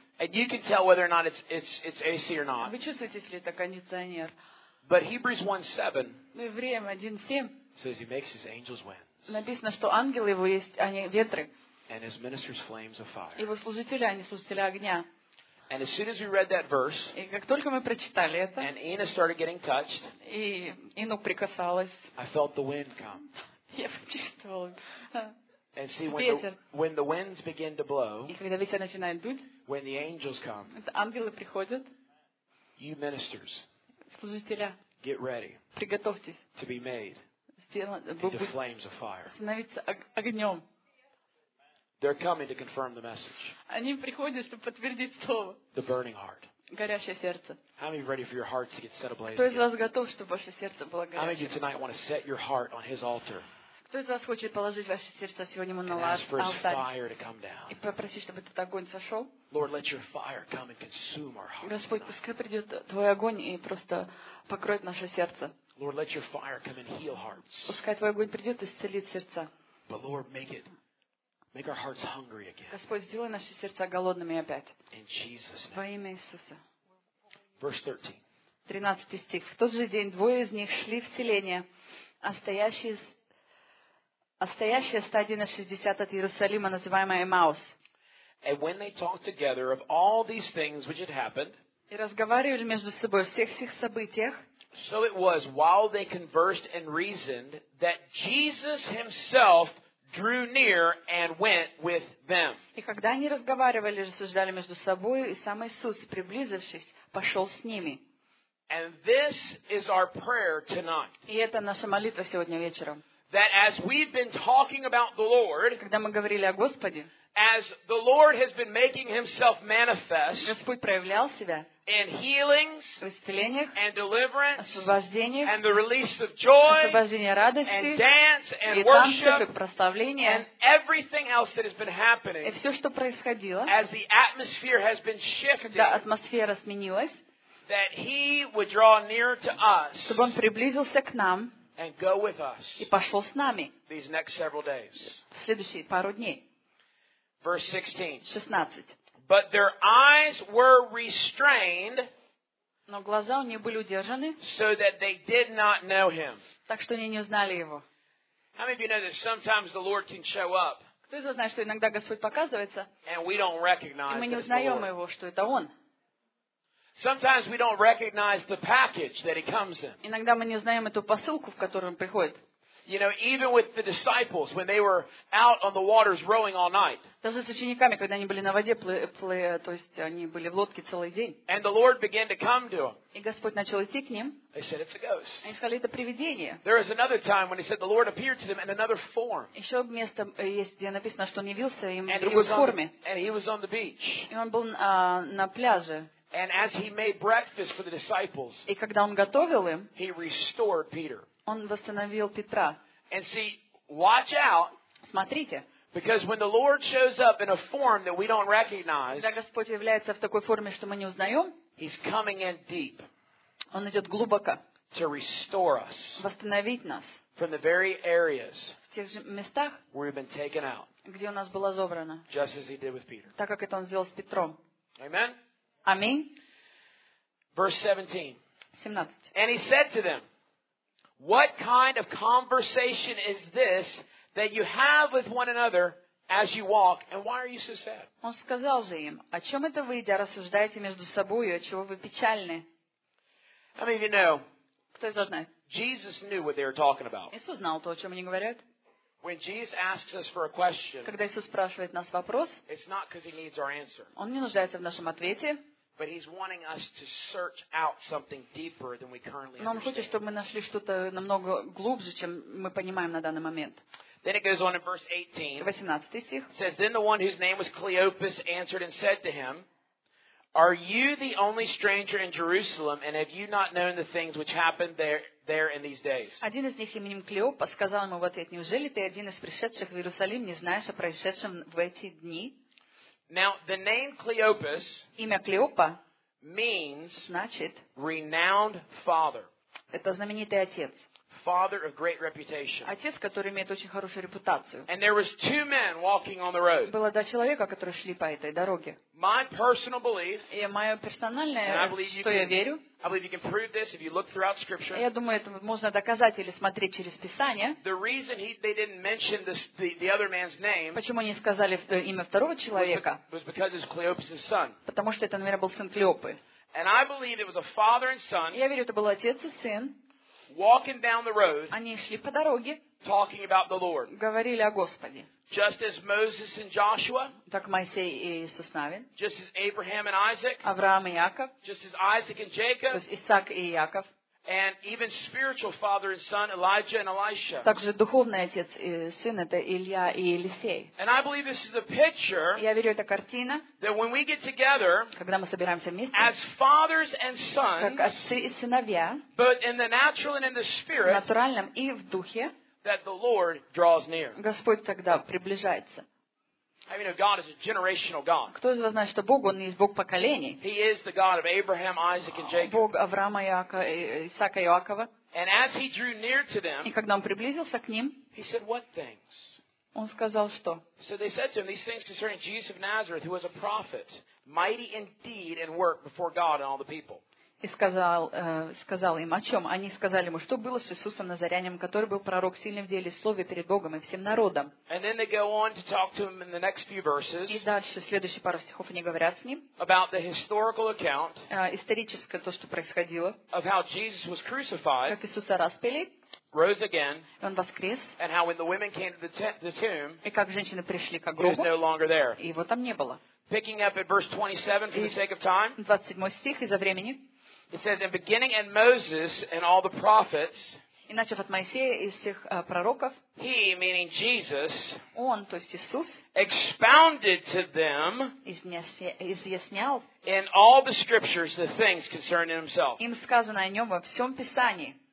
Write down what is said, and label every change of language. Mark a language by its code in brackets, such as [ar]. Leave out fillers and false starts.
[en] And you can tell whether or not it's AC or not. [ru] Вы чувствуете, если это кондиционер? [en] But Hebrews 1:7. [ru] Но Евреям 1:7. [en] Says he makes his angels winds. [ru] Написано, что ангелы его есть, они ветры. [en] And his ministers flames of fire. [ru] Его служители, они служители огня. [en] And as soon as we read that verse, [ru] и как только мы прочитали это, [en] and Ina started getting touched, [ru] и Ину прикасалась, [en] I felt the wind come. [ru] Я почувствовала. [en] And see, when the winds begin to blow, [ru] и когда ветер начинает дуть, [en] when the angels come, [ru] это ангелы приходят, [en] you ministers, [ru] служителя, [en] get ready, [ru] приготовьтесь, [en] to be made, into flames of fire, [ru] становиться огнем. [en] They're coming to confirm the message. [ru] Они приходят, чтобы подтвердить слово. [en] The burning heart. [ru] Горящее сердце. [en] How many ready for your hearts to get set ablaze? [ru] Кто из вас готов, чтобы ваше сердце было горячим? [en] How many of you tonight want to set your heart on His altar? [ru] Кто из вас хочет положить ваше сердце сегодня ему на алтарь? И попросить, чтобы этот огонь сошел? [en] Lord, let Your fire come and consume our hearts. [ru] Господь, пускай придет Твой огонь и просто покроет наше сердце. [en] Lord, let Your fire come and heal hearts. [ru] Пускай Твой огонь придет и исцелит сердца. [en] But Lord, make it. Make our hearts hungry again. [ru] Господь, сделай наши сердца голодными опять. [en] In Jesus' name. [ru] Во имя Иисуса. [en] Verse 13. [ru] 13 стих. В тот же день двое из них шли в селение, стоящее стадии на 60 от Иерусалима, называемое Эммаус. [en] And when they talked together of all these things which had happened, [ru] и разговаривали между собой о всех сих событиях, [en] so it was while they conversed and reasoned that Jesus Himself drew near and went with them. [ru] И когда они разговаривали, рассуждали между собой, и сам Иисус, приблизившись, пошел с ними. [en] And this is our prayer tonight. [ru] И это наша молитва сегодня вечером. [en] That as we've been talking about the Lord, [ru] когда мы говорили о Господе, [en] as the Lord has been making Himself manifest, [ru] Господь проявлял себя, [en] in healings, [ru] в исцелениях, [en] and deliverance, [ru] освобождениях, [en] and the release of joy, [ru] освобождение радости, [en] and dance, and [ru] и [en] worship, [ru] и прославление, [en] and everything else that has been happening, [ru] и все, что происходило, [en] as the atmosphere has been shifted, [ru] когда атмосфера сменилась, [en] that He would draw near to us, [ru] чтобы Он приблизился к нам, [en] and go with us, [ru] и пошел с нами, [en] these next several days, [ru] следующие пару дней. [en] Verse 16. [ru] 16. [en] But their eyes were restrained, [ru] но глаза у них были удержаны, [en] so that they did not know him. [ru] Так что они не узнали его. [en] How many of you know that sometimes the Lord can show up? [ru] Кто из вас знает, что иногда Господь показывается, [en] and we don't recognize him. [ru] Мы не узнаем его, что это он. [en] Sometimes we don't recognize the package that he comes in. [ru] Иногда мы не узнаем эту посылку, в которую он приходит. [en] You know, even with the disciples when they were out on the waters rowing all night. [ru] Даже с учениками, когда они были на воде, то есть они были в лодке целый день. [en] And the Lord began to come to them. [ru] И Господь начал идти к ним. [en] They said it's a ghost. [ru] Они сказали, это привидение. [en] There is another time when He said the Lord appeared to them in another form. [ru] Еще место есть, где написано, что Он явился им в форме. [en] And He was on the beach. [ru] И Он был на пляже. [en] And as He made breakfast for the disciples. [ru] И когда Он готовил им. [en] He restored Peter. [ru] Он восстановил Петра. [en] And see, watch out, [ru] смотрите. [en] Because when the Lord shows up in a form that we don't recognize, [ru] когда Господь является в такой форме, что мы не узнаем, [en] He's coming in deep, [ru] Он идет глубоко, [en] to restore us, [ru] восстановить нас, [en] from the very areas, [ru] в тех же местах, [en] where we've been taken out, [ru] где у нас было забрано, [en] just as He did with Peter. [ru] Так как это Он сделал с Петром. [en] Amen. [ru] Аминь. [en] 17. And he said to them, what kind of conversation is this that you have with one another as you walk, and why are you so sad? [ru] Он сказал же им, о чем это вы, идя, рассуждаете между собой, о чего вы печальны? [en] How many of you know? [ru] Кто из вас знает? [en] Jesus knew what they were talking about. [ru] Иисус знал то, о чем они говорят. [en] When Jesus asks us for a question, [ru] когда Иисус спрашивает нас вопрос, [en] it's not because he needs our answer. [ru] Он не нуждается в нашем ответе. [en] But he's wanting us to search out something deeper than we currently understand. [ru] Но он хочет, чтобы мы нашли что-то намного глубже, чем мы понимаем на данный момент. [en] Then it goes on in verse 18. [ru] 18-й стих. [en] It says, then the one whose name was Cleopas answered and said to him, are you the only stranger in Jerusalem, and have you not known the things which happened there in these days? [ru] Один из них именем Клеопа сказал ему в ответ, неужели ты один из пришедших в Иерусалим, не знаешь о происшедшем в эти дни? [en] Now, the name Cleopas, [ru] имя Клеопа, [en] means, [ru] значит, [en] renowned father. [ru] Это знаменитый отец. [en] Father of great reputation. [ru] Отец, который имеет очень хорошую репутацию. [en] And there was two men walking on the road. [ru] Было два человека, которые шли по этой дороге. [en] My personal belief. [ru] И мое персональное, что я верю. [en] I believe you can prove this if you look throughout Scripture. [ru] Я думаю, это можно доказать или смотреть через Писание. [en] The reason they didn't mention the other man's name. [ru] Почему они сказали имя второго человека? [en] Was because it's Cleopas's son. [ru] Потому что это, наверное, был сын Клеопы. [en] And I believe it was a father and son. [ru] Я верю, это был отец и сын. [en] Walking down the road, [ru] они шли по дороге, [en] talking about the Lord, [ru] говорили о Господе, [en] just as Moses and Joshua, [ru] так Моисей и Иисус Навин, [en] just as Abraham and Isaac, [ru] Авраам и Яков, [en] just as Isaac and Jacob, [ru] то есть Исаак и Яков, [en] and even spiritual father and son, Elijah and Elisha, [ru] также духовный отец и сын это Илья и Елисей. [en] And I believe this is a picture, [ru] я верю, это картина, [en] that when we get together, [ru] когда мы собираемся вместе, [en] as fathers and sons, [ru] как отцы и сыновья, [en] but in the natural and in the spirit, [ru] в натуральном и в духе, [en] that the Lord draws near, [ru] Господь тогда приближается. [en] I mean, God is a generational God. [ru] Кто из вас знает, что Бог, Он есть Бог поколений. [en] He is the God of Abraham, Isaac, and Jacob. [ru] Бог Авраама, Исаака и Иакова. [en] And as he drew near to them, [ru] и когда он приблизился к ним, [en] he said, what things? [ru] Он сказал, что? [en] So they said to him, these things concerning Jesus of Nazareth, who was a prophet, mighty in deed and work before God and all the people. [ru] И сказал им, о чем? Они сказали ему, что было с Иисусом Назарянином, который был пророк, сильный в деле, слове перед Богом и всем народом. И дальше, следующие пару стихов, они говорят с ним [en] about the historical account, [ru] историческое то, что происходило, [en] of how Jesus was crucified, [ru] как Иисуса распяли, [en] rose again, [ru] и Он воскрес, [en] and how when the women came to the tomb, [ru] и как женщины пришли к гробу, [en] he was no longer there. [ru] И его там не было. [en] Picking up at verse 27 for the sake of time, [ru] 27 стих из-за времени. [en] It says, "And beginning at Moses and all the prophets." [ru] И начав от Моисея и всех пророков. [en] He, meaning Jesus, [ru] он, то есть Иисус, [en] expounded to them, [ru] изъяснял, [en] in all the scriptures the things concerning himself. [ru] Им сказано о нем во всем Писании.